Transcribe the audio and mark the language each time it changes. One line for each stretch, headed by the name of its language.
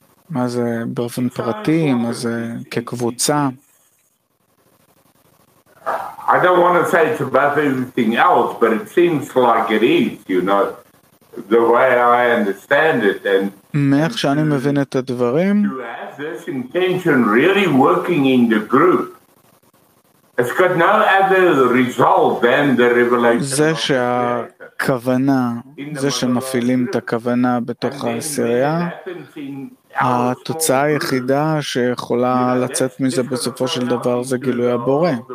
Hebrew: מה זה באופן פרטי, מה זה כקבוצה.
English: I don't want to say it's about anything else, but it seems like it is, you know, the way I understand it. And
Hebrew: מאיך שאני מבין את הדברים,
English: to have this intention really working in the group, it's got no other result than the revelation.
Hebrew: זה שהכוונה, זה שמפעילים את הכוונה בתוך העשירייה, התוצאה היחידה שיכולה לצאת מזה בסופו של דבר זה גילוי הבורא.